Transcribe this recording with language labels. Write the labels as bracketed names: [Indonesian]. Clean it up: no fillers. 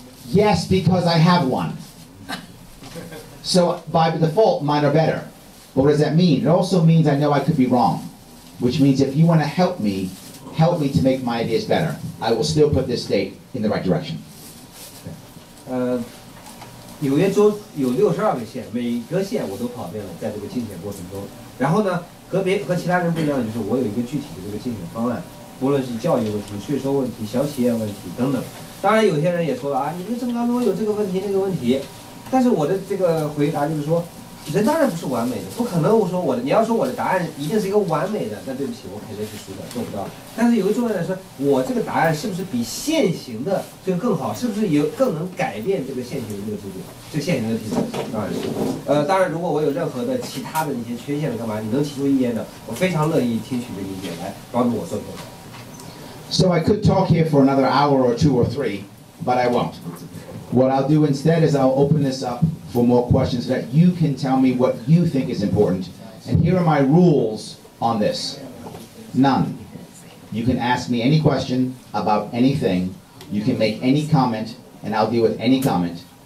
[English] Yes, because I have one. So by default, mine are better. But what does that mean? It also means I know I could be wrong. Which means if you want to help me to make my ideas better. I will still put this state in the right direction. [Chinese] 纽约州有62个县，每个县我都跑遍了，在这个竞选过程中。然后呢，和其他人不一样的就是，我有一个具体的这个竞选方案，无论是教育问题、税收问题、小企业问题等等。当然，有些人也说了啊，你们政党中有这个问题那个问题，但是我的这个回答就是说，人当然不是完美的，不可能。我说我的，你要说我的答案一定是一个完美的，那对不起，我肯定是输的，做不到。但是有一个重要的是，我这个答案是不是比现行的这个更好？是不是有更能改变这个现行的这个制度？这现行的体制当然是。当然，如果我有任何的其他的那些缺陷的干嘛，你能提出意见的，我非常乐意听取这意见来帮助我做更好。 [English] So I could talk here for another hour or two or three, but I won't. What I'll do instead is I'll open this up. For more questions, so that you can tell me what you think is important. And here are my rules on this. None. You can ask me any question about anything. You can make any comment, and I'll deal with any comment.